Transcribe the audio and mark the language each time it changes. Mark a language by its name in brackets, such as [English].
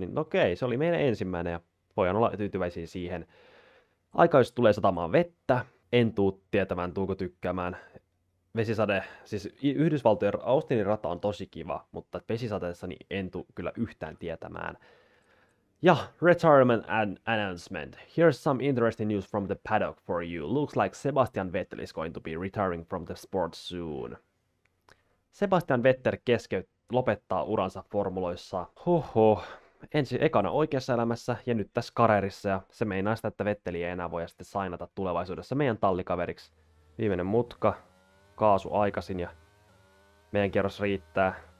[Finnish] Niin okei, se oli meidän ensimmäinen ja voidaan olla tyytyväisiä siihen. Aika jos tulee satamaan vettä, en tuu tietämään, tuuko tykkäämään. Vesisade, siis Yhdysvaltojen Austinin rata on tosi kiva, mutta vesisateessa niin en tuu kyllä yhtään tietämään. Ja, [English] retirement and announcement. Here's some interesting news from the paddock for you. Looks like Sebastian Vettel is going to be retiring from the sport soon. [Finnish] Sebastian Vettel lopettaa uransa formuloissa. Ensin ekana oikeassa elämässä ja nyt tässä kareerissa. Ja se meinaa sitä, että Vettel ei enää voi sitten signata tulevaisuudessa meidän tallikaveriksi. Viimeinen mutka. Kaasu aikaisin ja meidän kierros riittää.